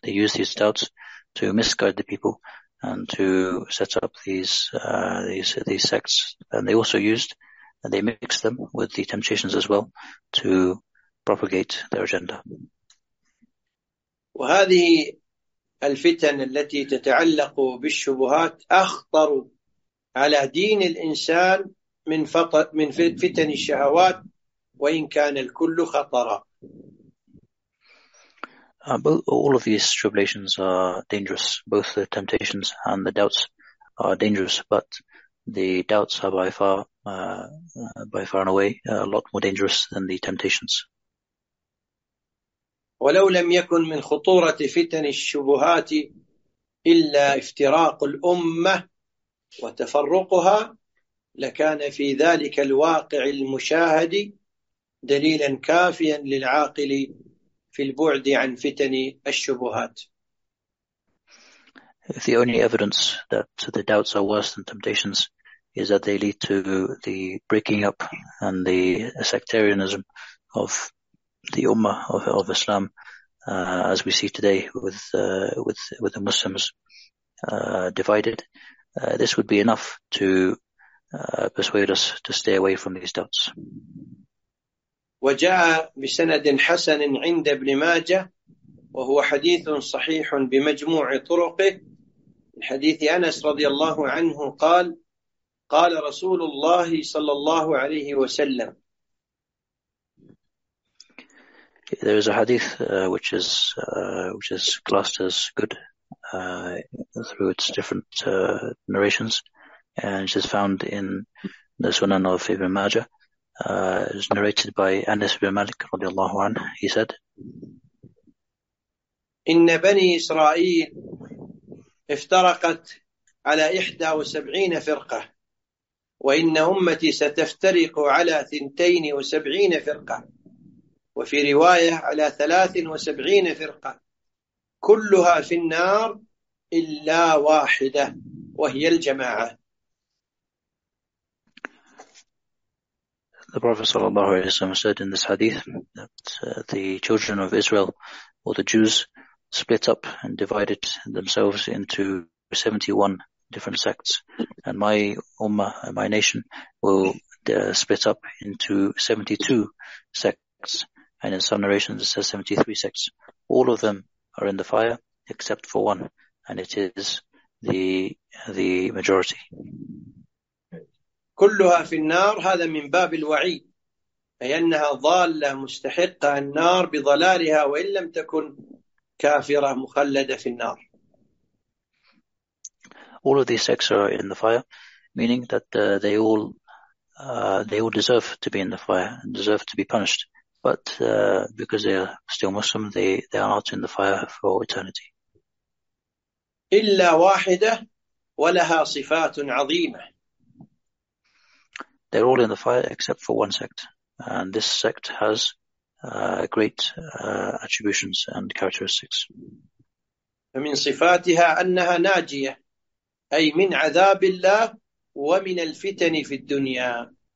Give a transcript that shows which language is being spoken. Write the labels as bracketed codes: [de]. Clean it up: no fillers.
[en] They used these doubts to misguide the people and to set up these sects. And they also used, and they mixed them with the temptations as well to propagate their agenda. [ar] الفتن التي تتعلق بالشبهات أخطر على دين الإنسان من فتن الشهوات وإن كان الكل خطرا. [en] All of these tribulations are dangerous. Both the temptations and the doubts are dangerous, but the doubts are by far and away a lot more dangerous than the temptations. [ar] ولو لم يكن من خطورة فتن الشبهات إلا افتراق الأمة وتفرقها لكان في ذلك الواقع المشاهد دليلا كافيا للعاقل في البعد عن فتن الشبهات. [en] If the only evidence that the doubts are worse than temptations is that they lead to the breaking up and the sectarianism of the Ummah of Islam, as we see today with the Muslims divided, this would be enough to persuade us to stay away from these doubts. [ar] وجاء بسند حسن عند ابن ماجه وهو حديث صحيح بمجموع طرقه من حديث أنس رضي الله عنه قال قال رسول الله صلى الله عليه وسلم. [en] There is a hadith which is classed as good through its different narrations, and it is found in the Sunan of Ibn Majah. It's narrated by Anas ibn Malik radiallahu anhu. He said, [ar] إن بني إسرائيل افترقت على 71 فرقة وإن أمتي ستفترق على 72 فرقة وفي رواية على 73 فرقة كلها في النار إلا واحدة وهي الجماعة. [en] The Prophet sallallahu alaihi wasallam said in this hadith that the children of Israel, or the Jews, split up and divided themselves into 71 different sects, and my ummah, my nation, will split up into 72 sects, and in some narrations it says 73 sects. All of them are in the fire except for one, and it is the majority. [ar] كلها في النار، هذا من باب الوعيد، أي أنها ضالة مستحقة النار بضلالها وإن لم تكن كافرة مخلدة في النار. [en] All of these sects are in the fire, meaning that they all deserve to be in the fire and deserve to be punished. But because they are still Muslim, they are not in the fire for eternity. [ar] إلا واحدة ولها صفات عظيمة. [en] They're all in the fire except for one sect, and this sect has great attributions and characteristics. [ar] فمن صفاتها أنها ناجية، أي من عذاب الله ومن الفتن في الدنيا.